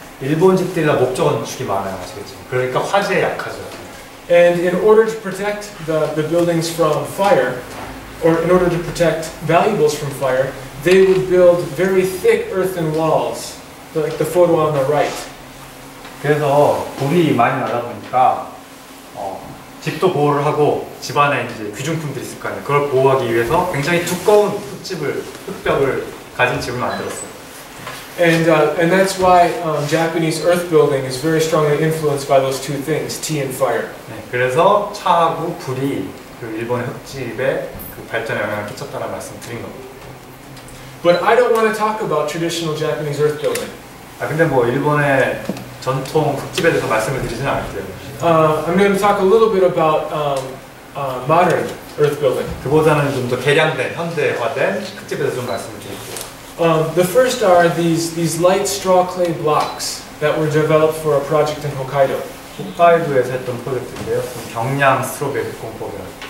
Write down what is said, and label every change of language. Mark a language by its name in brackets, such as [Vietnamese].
[Korean] 일본 집들이나 목적 건축이 많아요, 아시겠지만. 그러니까 화재에 약하죠. [English] And in order to protect the buildings from fire, or in order to protect valuables from fire, they would build very thick earthen walls, like the photo on the right. [Korean] 그래서 불이 많이 나다 보니까 집도 보호를 하고 집 안에 이제 귀중품들이 있을 거 아니에요. 그걸 보호하기 위해서 굉장히 두꺼운 흙벽을 가진 집을 만들었어요. [English] And that's why Japanese earth building is very strongly influenced by those two things, tea and fire. [Korean] 네, 그래서 차하고 불이 그 일본의 흙집의 그 발전에 영향을 끼쳤다는 말씀 드린 겁니다. [English] But I don't want to talk about traditional Japanese earth building. [Korean] 아, 근데 뭐 일본의 전통 흙집에 대해서 말씀을 드리진 않을게요. [English] I'm going to talk a little bit about modern earth building. [Korean] 그보다는 좀 더 개량된, 현대화된 흙집에 대해서 좀 말씀을 드릴게요. [English] The first are these light straw clay blocks that were developed for a project in Hokkaido. [Korean] 홋카이도에서 했던 프로젝트인데요. 경량 스트로베일 공법입니다.